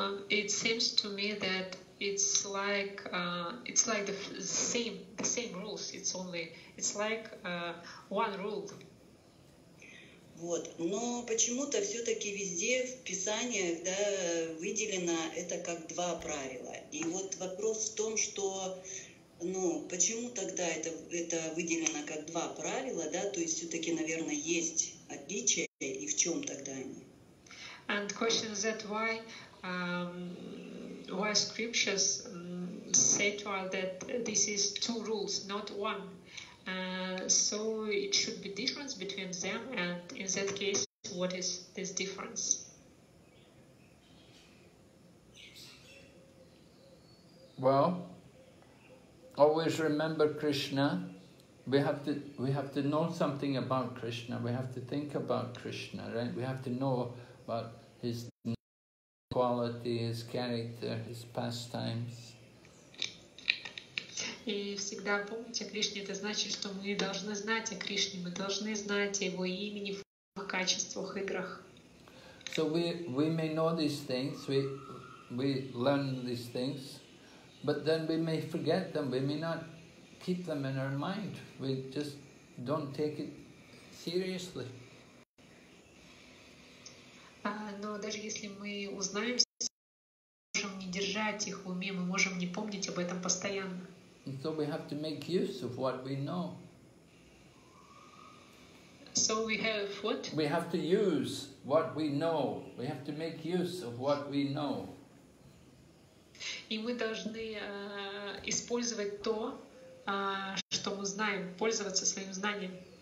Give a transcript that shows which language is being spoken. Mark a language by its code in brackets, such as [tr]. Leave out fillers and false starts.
[en] It seems to me that it's like the same rules. It's like one rule. [ru] Вот. Но почему-то все-таки везде в писаниях, да, выделено это как два правила. И вот вопрос в том, что, ну, почему тогда это выделено как два правила, да, то есть все-таки, наверное, есть отличия, и в чем тогда они? [en] And question is that why scriptures say to us that this is two rules, not one. So it should be difference between them, and in that case, what is this difference? Well, always remember Krishna. We have to know something about Krishna. We have to think about Krishna, right? We have to know about his quality, his character, his pastimes. [ru] И всегда помните о Кришне, это значит, что мы должны знать о Кришне, мы должны знать о его имени, в качествах, играх. [en] So we may know these things, we learn these things, but then we may forget them, we may not keep them in our mind. We just don't take it seriously. [ru] Но даже если мы узнаем, мы можем не держать их в уме, мы можем не помнить об этом постоянно. [en] And so we have to make use of what we know. So we have what? We have to use what we know. We have to make use of what we know. [ru] И мы должны использовать то, что мы знаем, пользоваться своим знанием.